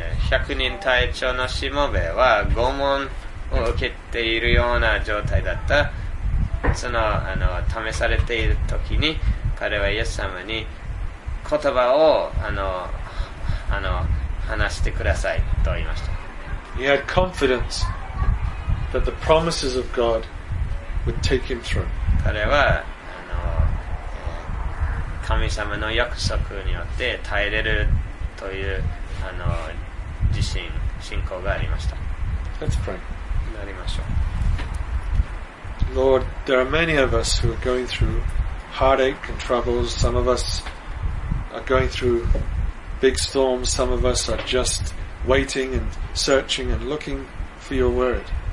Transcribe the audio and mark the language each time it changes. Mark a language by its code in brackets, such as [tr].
[ja] 百人隊長のしもべは拷問を受けているような状態だった。試されている時に彼はイエス様に言葉をあの話してくださいと言いました。 [en] He had confidence that the promises of God would take him through. [ja] 彼は神様の約束によって耐えれるという自信、信仰がありました。 [en] Let's pray. [ja] なりましょう。 [en] Lord, there are many of us who are going through heartache and troubles. Some of us are going through big storms. Some of us are just waiting and searching and looking for your word.